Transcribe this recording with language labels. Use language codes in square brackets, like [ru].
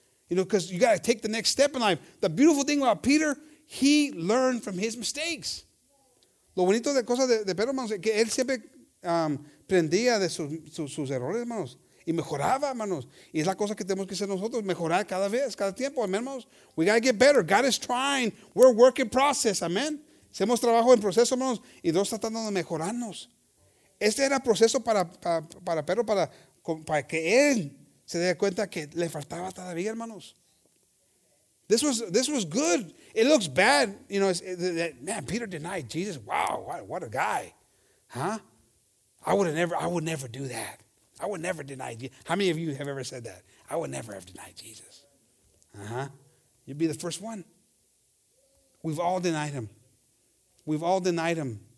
[en] You know, because you got to take the next step in life. The beautiful thing about Peter, he learned from his mistakes. [es] Lo bonito de cosas de Pedro, hermanos, es que él siempre aprendía de sus errores, hermanos, y mejoraba, hermanos. Y es la cosa que tenemos que hacer nosotros, mejorar cada vez, cada tiempo, amén, hermanos. [en] We got to get better. God is trying. We're a work in process, [es] amén. Hacemos trabajo en proceso, hermanos, y Dios está tratando de mejorarnos. Este era proceso para Pedro, para que él se dé cuenta que le faltaba todavía, hermanos. [en] This was good. It looks bad, you know, man, Peter denied Jesus. Wow, what a guy. Huh? I would never do that. I would never deny Jesus. How many of you have ever said that? I would never have denied Jesus. Uh-huh. You'd be the first one. We've all denied him. We've all denied him.